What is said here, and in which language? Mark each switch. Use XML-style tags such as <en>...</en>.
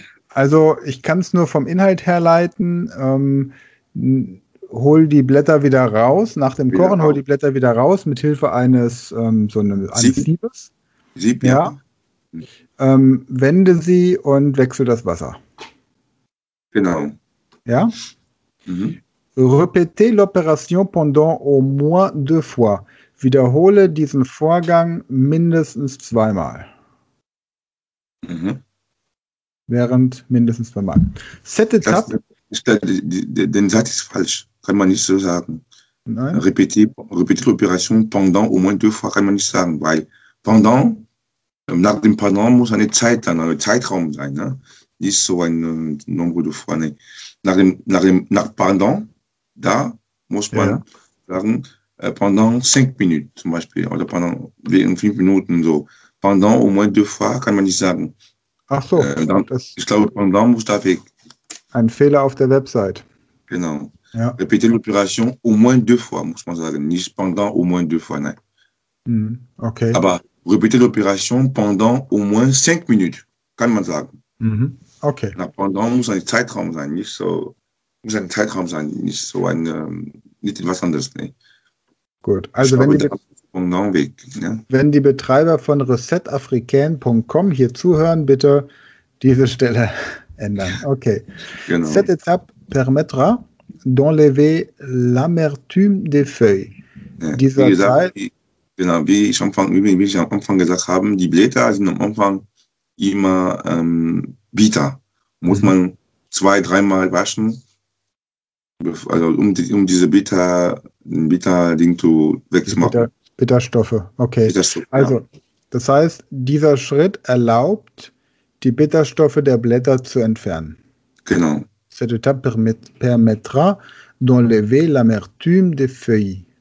<de>Also, ich kann es nur vom Inhalt herleiten. Hol die Blätter wieder raus. Nach dem Kochen, hol die Blätter wieder raus, mit Hilfe eines Siebes. Sieb, ja. Wende sie und wechsel das Wasser. Genau. Ja? Mhm.</de> <fr>Repetez l'opération pendant au moins deux fois.</fr> <de>Wiederhole diesen Vorgang mindestens zweimal. Mhm. Während mindestens zweimal. Den Satz ist falsch. Kann man nicht so sagen. Nein.</de> <fr>Repetez l'opération pendant au moins deux fois.</fr> <de>Kann man nicht sagen, weil pendant. Nach dem Pendant muss eine Zeit dann, ein Zeitraum sein, ne? Nicht so ein</de> <fr>Nombre de fois.</fr> <de>Nee. Nach Pendant, da muss man sagen, pendant 5 Minuten zum Beispiel, oder pendant 5 Minuten so.</de> <fr>Pendant au moins deux fois</fr> <de>kann man nicht sagen. Ach so, dann, ich glaube, Pendant muss da weg. Ein Fehler auf der Website. Genau. Ja.</de> <fr>Repetez l'opération au moins deux fois,</fr> <de>muss man sagen. Nicht</de> <fr>pendant au moins deux fois,</fr> <de>nein. Okay. Aber.</de> <fr>Répétez l'opération pendant au moins 5 minutes,</fr> <de>kann man sagen. Mm-hmm. Okay. Na, pendant muss ein Zeitraum sein, nicht so. Muss ein Zeitraum sein, nicht so ein. Nicht etwas anderes, ne? Gut, also wenn die Betreiber von recetafricain.com hier zuhören, bitte diese Stelle ändern. Okay. Genau.</de> <fr>Cette étape permettra d'enlever l'amertume des feuilles.</fr> <de>Ja, dieser wie gesagt, Teil. Genau, wie ich am Anfang gesagt habe, die Blätter sind am Anfang immer bitter. Muss man zwei, dreimal waschen, also um diese Bitter-Ding wegzumachen. Bitterstoffe, okay. Also, das heißt, dieser Schritt erlaubt, die Bitterstoffe der Blätter zu entfernen. Genau.</de> <fr>Cette étape permettra d'enlever l'amertume des feuilles.</fr>